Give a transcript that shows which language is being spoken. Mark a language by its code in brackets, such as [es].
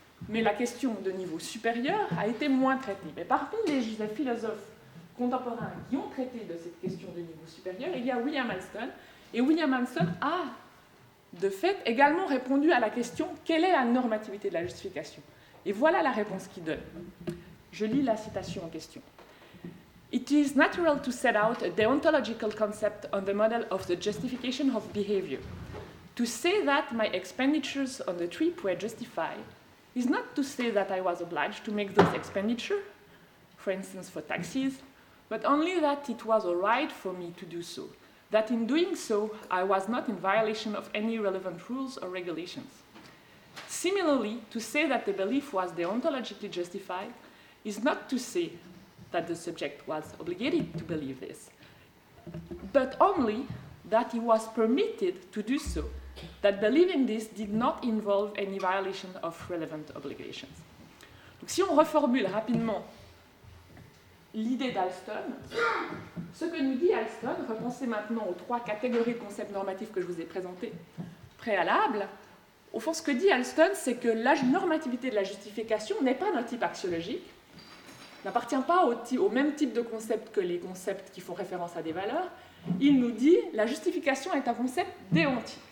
[fr] Mais la question de niveau supérieur a été moins traitée. Mais parmi les philosophes contemporains qui ont traité de cette question de niveau supérieur, il y a William Alston. Et William Alston a, de fait, également répondu à la question « Quelle est la normativité de la justification ?» Et voilà la réponse qu'il donne. Je lis la citation en question. [en] It is natural to set out a deontological concept on the model of the justification of behavior. To say that my expenditures on the trip were justified is not to say that I was obliged to make those expenditures, for instance for taxis, but only that it was all right for me to do so, that in doing so I was not in violation of any relevant rules or regulations. Similarly, to say that the belief was deontologically justified is not to say that the subject was obligated to believe this, but only that he was permitted to do so, that believing this did not involve any violation of relevant obligations. [fr] Donc si on reformule rapidement l'idée d'Alston, ce que nous dit Alston, repensez maintenant aux trois catégories de concepts normatifs que je vous ai présentés préalables, au fond ce que dit Alston, c'est que la normativité de la justification n'est pas d'un type axiologique, n'appartient pas au même type de concept que les concepts qui font référence à des valeurs, il nous dit la justification est un concept déontique.